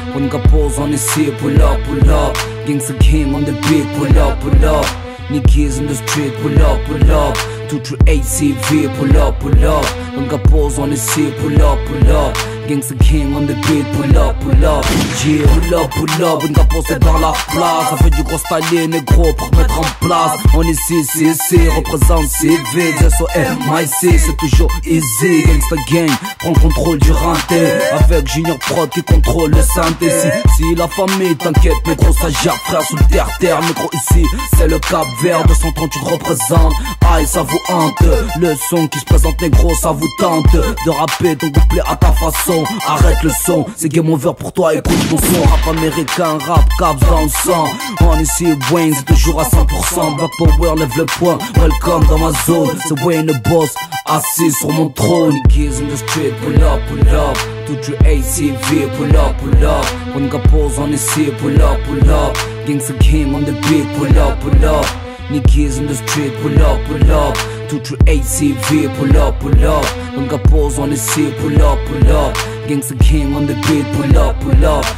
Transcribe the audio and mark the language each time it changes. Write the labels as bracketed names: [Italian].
[English] When Capos on the seat, pull up, pull up. Gangsta Gang on the beat, pull up, pull up. Niggas in the street, pull up, pull up. 2, 3, 8, CV, pull up, pull up. When Capos on the seat, pull up, pull up. Gangsta Gang on the beat, pull up, pull up. Yeah, pull up, pull up. [French] When Capos est dans la place, ça fait du gros stallé, négro pour mettre en place. On est ici, représente CV. S-O-M-I-C, c'est toujours easy. Gangsta Gang prend le contrôle du rinté. Avec Junior Prod qui contrôle le synthé. Si la famille t'inquiète, négro, ça gère frère sous terre-terre. Négro ici, c'est le Cap Vert. 230, tu représentes. Aïe, ça vous hante. Le son qui se présente, négro, ça vous tente. De rapper ton couplet à ta façon. Arrête le son, c'est game over pour toi, écoute mon son. Rap américain, rap, caps dans le sang. On ici Wayne, c'est toujours à 100%. Back power, lève le point, welcome dans ma zone. C'est Wayne le boss, assis sur mon trône. [English] Niggas in the street, pull up, pull up. 2, 3, 8, CV, pull up, pull up. When Capos on the seat, pull up, pull up. Gangsta Gang on the beat, pull up, pull up. Niggas in the street, pull up, pull up. 2, 3, 8, CV, pull up, pull up. When Capos on the seat, pull up, pull up. Gangsta Gang on the beat, pull up, pull up.